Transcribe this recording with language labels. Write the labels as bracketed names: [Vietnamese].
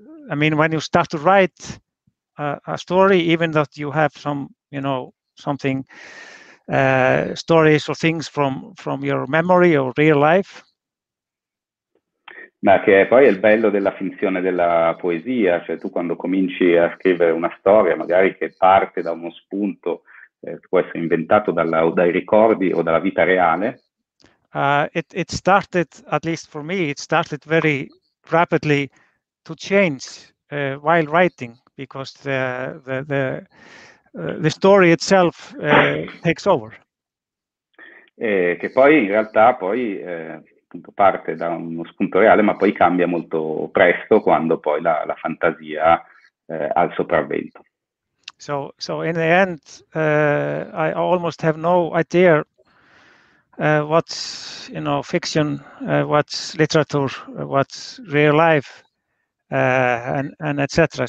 [English] I mean, when you start to write a story, even though you have some, you know, something, stories or things from your memory or real life. [Italian] Ma che è poi il bello della finzione della poesia, cioè tu quando cominci a scrivere una storia, magari che parte da uno spunto. Può essere inventato dai ricordi o dalla vita reale. [English] It started, at least for me, it started very rapidly to change while writing, because the story itself takes over. [Italian] Che poi in realtà poi appunto parte da uno spunto reale, ma poi cambia molto presto quando poi la fantasia ha il sopravvento. [English] So in the end, I almost have no idea what's, you know, fiction, what's literature, what's real life, and etc.